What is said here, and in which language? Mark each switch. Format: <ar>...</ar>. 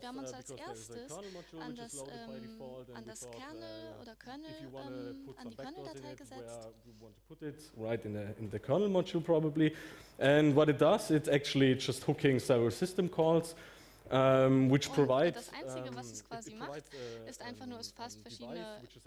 <de>Wir haben uns als erstes an das Kernel oder Kernel an die Kernel-Datei gesetzt.</de> <en>Right in the kernel module probably. And what it does, it's actually just hooking several system calls. Which provides,</en> <de>das Einzige, was es quasi macht, ist einfach nur, es fasst verschiedene</de>